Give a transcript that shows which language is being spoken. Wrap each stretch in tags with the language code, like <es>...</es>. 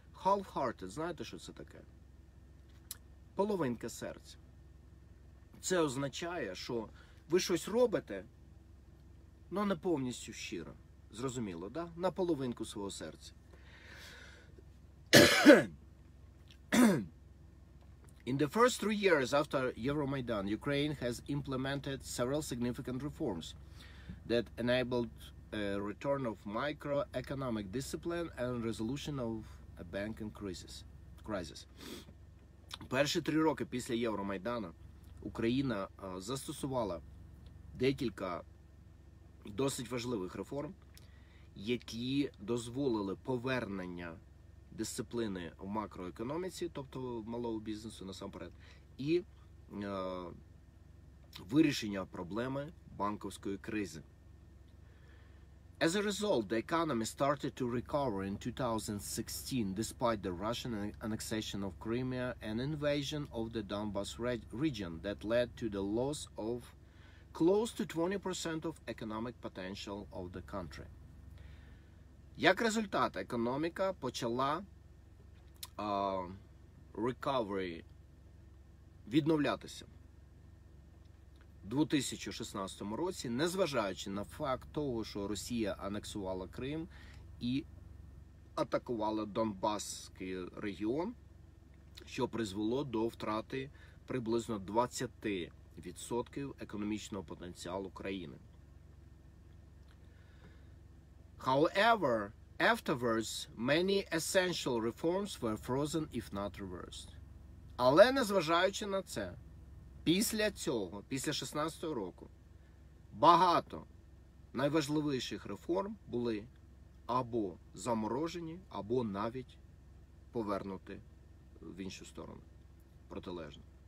<uk>Half-hearted, знаєте, що це таке? Половинка серця. Це означає, що ви щось робите, але не повністю щиро. Зрозуміло, да? На половинку свого серця.</uk> <en>In the first 3 years after Euromaidan, Ukraine has implemented several significant reforms that enabled a return of microeconomic discipline and resolution of a banking crisis.</en> <uk>Перші 3 роки після Євромайдану Україна застосувала декілька досить важливих реформ, які дозволили повернення дисципліни в макроекономіці, тобто малого бізнесу насамперед, і вирішення проблеми банківської кризи.</uk> <en>As a result, the economy started to recover in 2016 despite the Russian annexation of Crimea and invasion of the Donbas region that led to the loss of close to 20% of economic potential of the country.</en> <uk>Як результат, економіка почала recovery відновлятися. У 2016 році, незважаючи на факт того, що Росія анексувала Крим і атакувала Донбасський регіон, що призвело до втрати приблизно 20% економічного потенціалу країни.</uk> <en>However, afterwards, many essential reforms were frozen, if not reversed.</en> <uk>Але, незважаючи на це, після цього, після 16-го року, багато найважливіших реформ були або заморожені, або навіть повернуті в іншу сторону, протилежно.</uk>